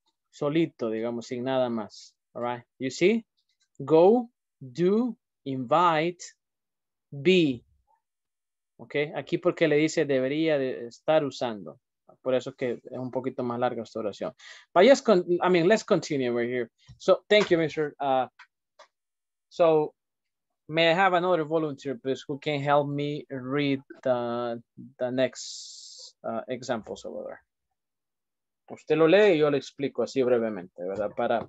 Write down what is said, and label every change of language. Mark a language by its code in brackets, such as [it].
[es] Solito, digamos, sin nada más. [en] All right. You see? Go, do, invite, be. Okay. [es] Aquí porque le dice debería de estar usando. Por eso que es un poquito más larga esta oración. [en] But yes, let's continue over here. So, thank you, Mr. So, may I have another volunteer, please, who can help me read the next examples over there. [es] Usted lo lee y yo le explico así brevemente, ¿verdad?